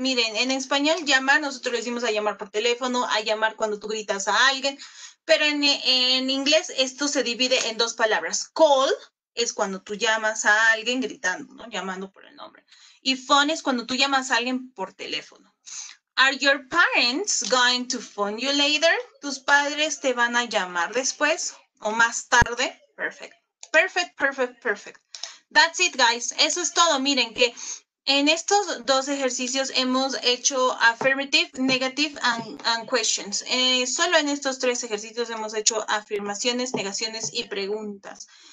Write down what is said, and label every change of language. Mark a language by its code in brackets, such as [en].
[es] Miren, en español llamar, nosotros lo decimos a llamar por teléfono, a llamar cuando tú gritas a alguien. Pero en inglés esto se divide en dos palabras. Call es cuando tú llamas a alguien gritando, ¿no? Llamando por el nombre. Y phone es cuando tú llamas a alguien por teléfono. [en] Are your parents going to phone you later? [es] ¿Tus padres te van a llamar después o más tarde? [en] Perfect. Perfect, perfect, perfect. That's it, guys. [es] Eso es todo. Miren que en estos dos ejercicios hemos hecho [en] affirmative, negative, and questions. [es] Solo en estos tres ejercicios hemos hecho afirmaciones, negaciones y preguntas.